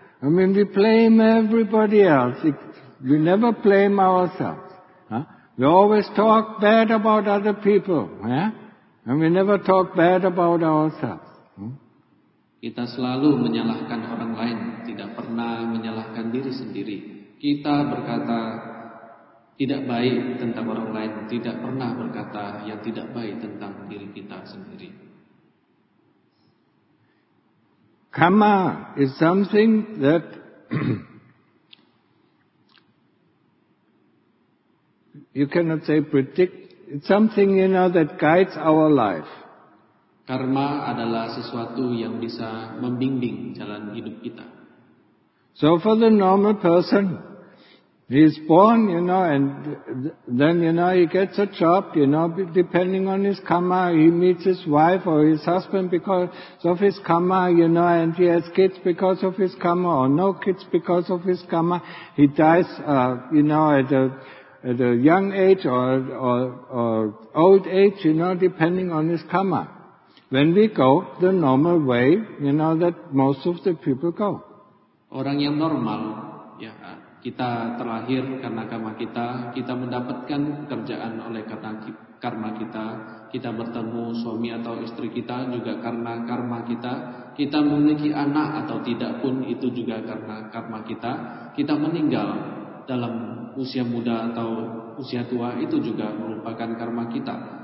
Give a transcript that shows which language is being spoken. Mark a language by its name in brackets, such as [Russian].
[English] I mean, we blame everybody else. We never blame ourselves. Huh? We always talk bad about other people, yeah? And we never talk bad about ourselves. [Indonesian] Kita selalu menyalahkan orang lain, tidak pernah menyalahkan diri sendiri. Kita berkata tidak baik tentang orang lain, tidak pernah berkata yang tidak baik tentang diri kita sendiri. [English] Karma is something that you cannot say predict. It's something, you know, that guides our life. [Indonesian] Karma adalah sesuatu yang bisa membimbing jalan hidup kita. [English] So for the normal person, he is born, you know, and then, you know, he gets a job, you know, depending on his karma, he meets his wife or his husband because of his karma, you know, and he has kids because of his karma or no kids because of his karma. He dies, you know, at a young age or old age, you know, depending on his karma. When we go the normal way, you know, that most of the people go. [Indonesian] Orang yang normal, ya, kita terlahir karena karma kita, kita mendapatkan pekerjaan oleh karena karma kita, kita bertemu suami atau istri kita juga karena karma kita, kita memiliki anak atau tidak pun itu juga karena karma kita, kita meninggal dalam usia muda atau usia tua itu juga merupakan karma kita.